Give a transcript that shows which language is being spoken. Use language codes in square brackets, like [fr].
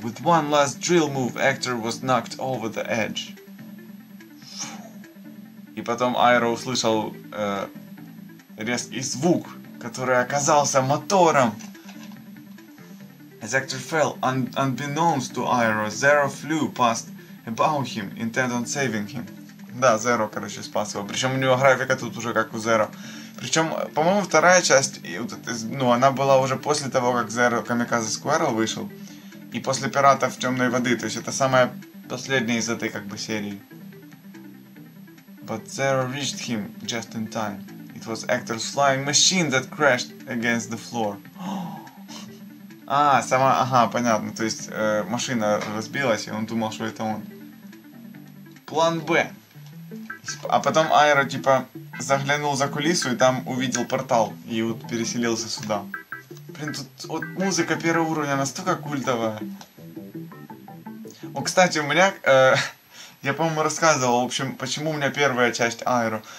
[en] With one last drill move, Hector was knocked over the edge. [ru] И потом Aero услышал резкий звук, который оказался мотором. [en] As Hector fell, unbeknownst to Aero, Zero flew past above him, intent on saving him. [ru] Да, Zero, короче, спас его. Причем у него графика тут уже как у Zero. Причем, по-моему, вторая часть, ну, она была уже после того, как Zero Kamikaze Squirrel вышел. И после Пиратов Темной Воды. То есть это самая последняя из этой, как бы, серии. [en] But Zero reached him just in time. It was Hector's flying machine that crashed against the floor. [ru] А, сама, ага, понятно, то есть машина разбилась, и он думал, что это он. План Б. А потом Аэро, типа, заглянул за кулису, и там увидел портал, и вот переселился сюда. Блин, тут вот музыка первого уровня настолько культовая. О, кстати, у меня, я, по-моему, рассказывал, в общем, почему у меня первая часть Аэро.